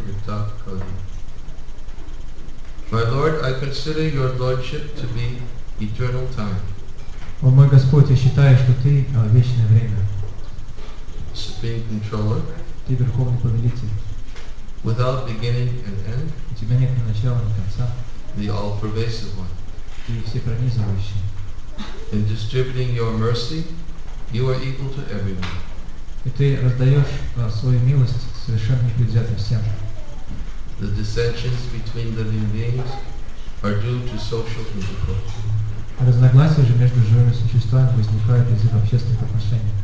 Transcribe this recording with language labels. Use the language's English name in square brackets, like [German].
[English] My Lord, I consider your lordship to be eternal time. [Russian] О мой Господь, я считаю, что ты вечное время. [English] Supreme controller. [Russian] Ты верховный повелитель. [English] Without beginning and end. [Russian] У тебя нет ни начала, ни конца. [English] The all-pervasive one. [Russian] Ты всепронизывающий. [English] In distributing your mercy, you are equal to everyone. [Russian] И ты раздаешь свою милость совершенно непредвзято всем. [English] The dissensions between living beings are due to social intercourse. [Russian] Разногласия же между живыми существами возникают из-за общественных отношений.